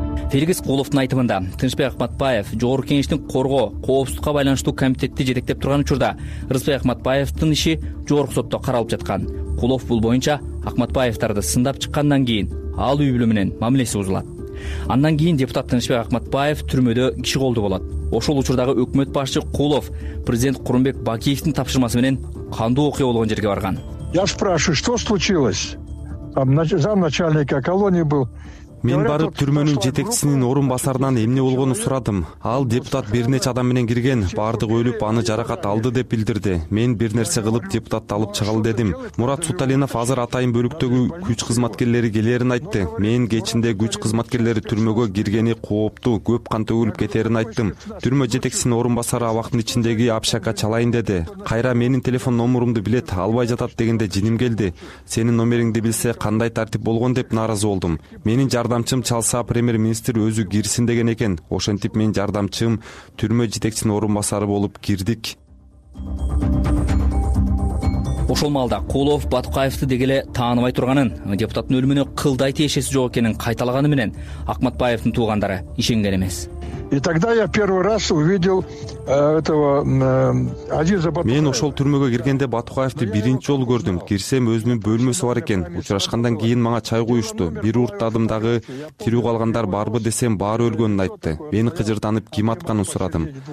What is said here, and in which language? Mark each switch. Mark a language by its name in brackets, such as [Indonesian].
[Kyrgyz] Феликс Кулуфтун айтымында Тынычбек Акматбаев Жогорку Кеңештин коргоо, коопсуздукка байланыштуу комитетти жетектеп турган учурда Рысбек Акматбаевдин иши жогорку сотто каралып жаткан. Кулуф бул боюнча Акматбаевдарды сындап чыккандан кийин ал үй бүлө менен мамилеси бузулат. Андан кийин депутат Тынычбек Акматбаев түрмөдө киши колду болот. Ошол учурдагы өкмөт башчы Кулов президент Курумбек Бакиевдин тапшырмасы менен кандуу окуя болгон жерге барган. [Russian] Я спрашиваю, что случилось? Замначальника колонии был. [Kyrgyz] Мен барып түрмөнүн жетекчисинин орун басарынан эмне болгонун сурадым. Ал депутат бир нече адам менен кирген, баардыгы өлүп, аны жаракат алды деп билдирди. Мен бир нерсе кылып депутатты алып чыгалы дедим. Мурат Суталинов азыр атайын бөлүктөгү күч кызматкерлери келерин айтты. Мен кечинде күч кызматкерлери түрмөгө киргени кооптуу, көп кан төгүлүп кетерин айттым. Түрмө жетекчисинин орун басары абактын ичиндеги апшака чалайын деди. Кайра менин телефон номерумду билет, албай жатат дегенде жиним келди. Сенин номериңди билсе кандай тартип болгон деп нааразы болдум. Менин жардамчым чалса премьер-министр өзү кирсин деген экен. Ошентип мен жардамчым түрмө жетекчисинин орун басары болуп кирдик. Ошол маалда Кулов Баткаевди деги эле тааныбай турганын, депутаттын өлүмүнө кылдай тиешеси жок экенин кайталаганы менен Акматбаевдин туугандары ишенген эмес. [Russian] И тогда я первый раз увидел этого Азиза Батукаева. [Kyrgyz] Мен ошол түрмөгө киргенде Батукаевди биринчи жолу көрдүм. Кирсем өзүнүн бөлмөсү бар экен. Учурашкандан кийин мага чай куюшту. Бир урттадым дагы тирүү калгандар барбы десем, баары өлгөнүн айтты. Мени кыжырданып ким атканын сурадым.